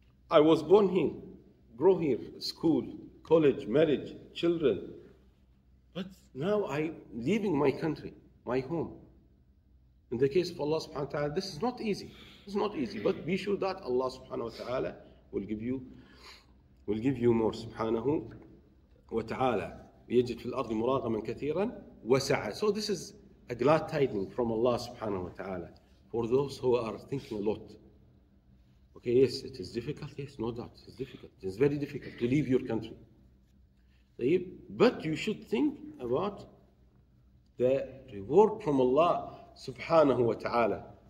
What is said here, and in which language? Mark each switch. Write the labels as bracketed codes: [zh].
[en] I was born here, grow here, school, college, marriage, children. But now I leaving my country, my home. In the case of Allah subhanahu wa ta'ala, this is not easy. It's not easy. But be sure that Allah subhanahu wa ta'ala will give you more. Subhanahu wa ta'ala. [ar] يجد في الأرض مراغما كثيرا وسعة. [en] So this is a glad tidings from Allah subhanahu wa ta'ala for those who are thinking a lot. Okay, yes, it is difficult. Yes, no doubt. It's difficult. It's very difficult to leave your country. But you should think about the reward from Allah subhanahu wa ta'ala.